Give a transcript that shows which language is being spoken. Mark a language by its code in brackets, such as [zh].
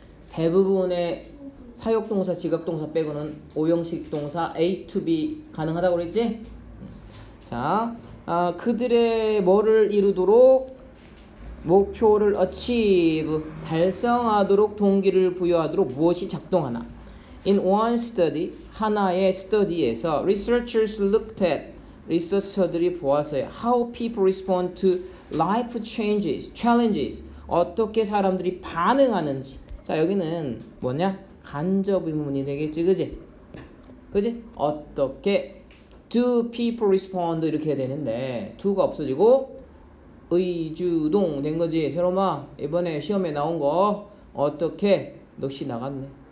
[ko] 대부분의 사역동사, 직역동사 빼고는 오형식 동사 A to B 가능하다고 그랬지? 자, 아, 그들의 뭐를 이루도록 목표를 achieve, 달성하도록 동기를 부여하도록 무엇이 작동하나? [en] In one study, [ko] 하나의 study에서 [en] researchers looked at, [ko] 리서처들이 보았어요. [en] How people respond to life changes, challenges, [ko] 어떻게 사람들이 반응하는지. 자, 여기는 뭐냐? 간접 의문이 되겠지, 그지? 그지? 어떻게? [en] Do people respond? [ko] 이렇게 해야 되는데 do가 없어지고 의주동 된 거지. 새로마 이번에 시험에 나온 거 어떻게? 역시 나갔네.